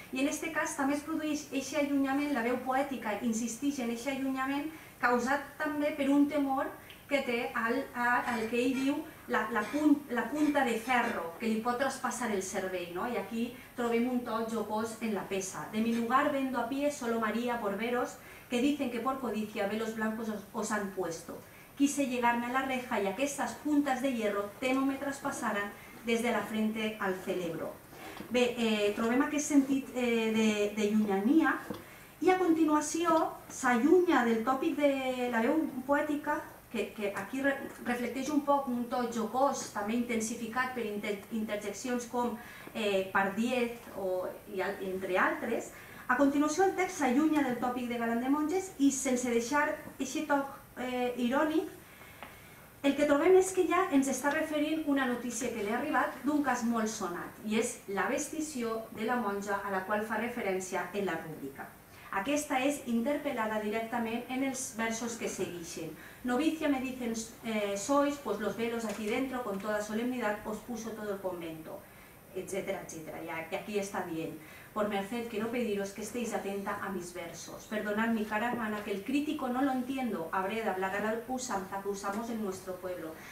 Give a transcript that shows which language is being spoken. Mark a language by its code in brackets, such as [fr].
[ca] I en aquest cas també es produeix aquest allunyament, la veu poètica insisteix en aquest allunyament, causat també per un temor que té al que ell diu la punta de ferro, que li pot traspassar el cervell, no? I aquí trobem un to jocós en la peça. [es] De mi lugar vendo a pie solo María por veros, que dicen que por codicia velos blancos os han puesto. Quise llegarme a la reja y a que estas puntas de hierro temo me traspasaran desde la frente al cerebro. [ca] Bé, trobem aquest sentit de llunyania i a continuació s'allunya del tòpic de la veu poètica, que aquí reflecteix un poc un to jocós, també intensificat per interjeccions com Pardiez o entre altres. A continuació el text s'allunya del tòpic de galant de monges i sense deixar aquest toc irònic, el que trobem és que ja ens està referint una notícia que li ha arribat d'un cas molt sonat i és la vestició de la monja a la qual fa referència en la rúbrica. Aquesta és interpel·lada directament en els versos que segueixen. [es] Novicia me dicen sois, pues los velos aquí dentro con toda solemnidad os puso todo el convento, etcétera, etcétera, y aquí está bien. Por merced quiero pediros que estéis atenta a mis versos. Perdonad mi cara hermana que el crítico no lo entiendo, habré de hablar a la usanza que usamos en nuestro pueblo.